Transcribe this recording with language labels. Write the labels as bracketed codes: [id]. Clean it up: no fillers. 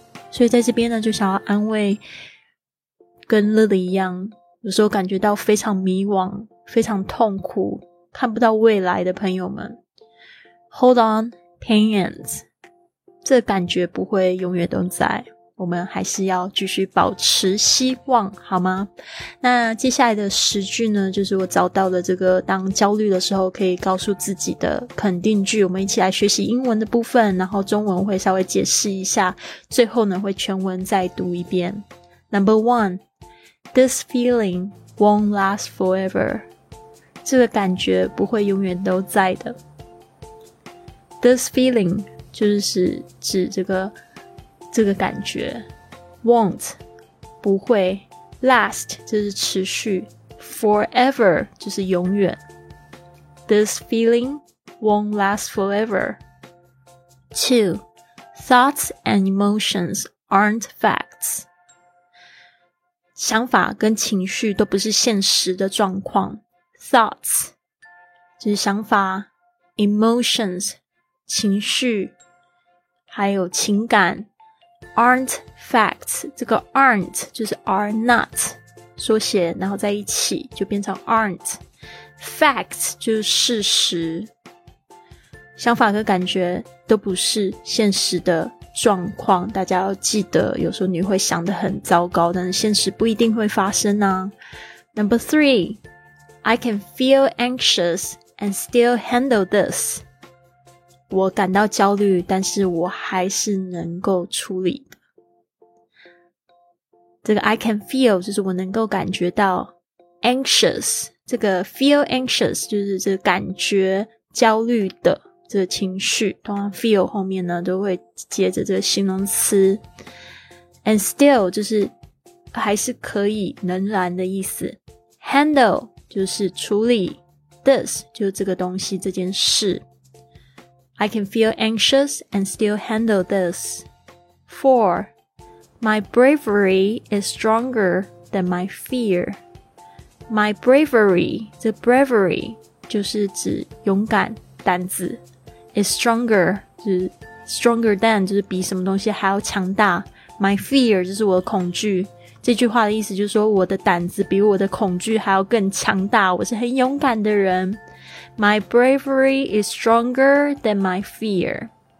[zh] 所以在这边呢，就想要安慰跟 Lily 一样有时候感觉到非常迷惘，非常痛苦，看不到未来的朋友们， [en] Hold on, pain ends， [zh] 这感觉不会永远都在，我们还是要继续保持希望好吗？那接下来的十句呢，就是我找到的这个当焦虑的时候可以告诉自己的肯定句，我们一起来学习英文的部分，然后中文会稍微解释一下，最后呢会全文再读一遍。 [en] Number one,This feeling won't last forever. [zh] 这个感觉不会永远都在的。 [en] This feeling [zh] 就是指这个感觉。 Won't 不会， last 就是持续， forever 就是永远。 [en] This feeling won't last forever. 2. Thoughts and emotions aren't facts. [zh] 想法跟情绪都不是现实的状况。 Thoughts 就是想法， Emotions 情绪还有情感， [en] Aren't facts， [zh] 这个 aren't 就是 are not 缩写，然后在一起就变成 aren't。 Facts 就是事实，想法跟感觉都不是现实的状况，大家要记得，有时候你会想得很糟糕，但是现实不一定会发生啊。 [en] Number three, I can feel anxious and still handle this. [zh] 我感到焦虑，但是我还是能够处理。这个 [en] I can feel [zh] 就是我能够感觉到， anxious 这个 [en] feel anxious [zh] 就是这个感觉焦虑的这个情绪，通常 feel 后面呢都会接着这个形容词。 [en] And still [zh] 就是还是可以，仍然的意思。 Handle 就是处理， This 就是这个东西，这件事。 [en] I can feel anxious and still handle this. 4. My bravery is stronger than my fear. My bravery [zh] 这 [en] bravery [zh] 就是指勇敢胆子 [en] is stronger [zh] 就是 [en] stronger than [zh] 就是比什么东西还要强大 [en] my fear [zh] 就是我的恐惧这句话的意思就是说我的胆子比我的恐惧还要更强大我是很勇敢的人 [en] my bravery is stronger than my fear